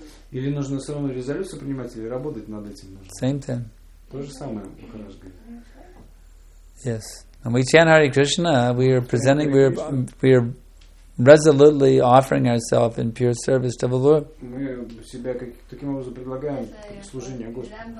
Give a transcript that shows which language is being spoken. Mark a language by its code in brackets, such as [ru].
[ru] Или нужно все равно резолюцию принимать или работать над этим? [en] Same thing. [ru] То же самое, как раз говорит. [en] Yes. And we chant Hare Krishna, we are presenting, we are resolutely offering ourselves in pure service to the Lord. [ru] Мы себя таким образом предлагаем служение Господу.